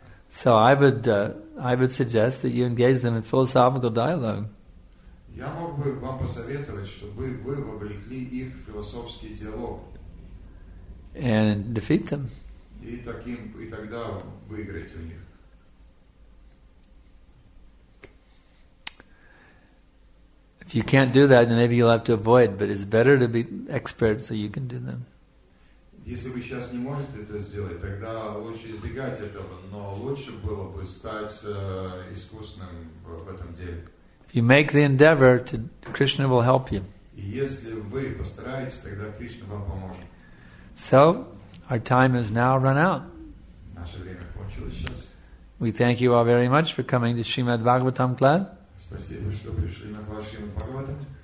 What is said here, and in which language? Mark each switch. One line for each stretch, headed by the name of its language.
English: So I would suggest that you engage them in philosophical dialogue.
Russian: Я мог бы вам посоветовать, чтобы вы вовлекли их в философский диалог.
English: And defeat them.
Russian: И тогда выиграть у них.
English: If you can't do that, then maybe you'll have to avoid, but it's better to be expert so you can do them.
Russian: Если вы сейчас не можете это сделать, тогда лучше избегать этого, но лучше было бы стать искусным в этом деле.
English: If you make the endeavor, Krishna will help you.
Russian: Если вы постараетесь, тогда Кришна вам поможет.
English: So, our time has now run out.
Russian: Наше время кончилось сейчас.
English: We thank you all very much for coming to Srimad Bhagavatam class.
Russian: Спасибо, что пришли на Шримад Бхагаватам.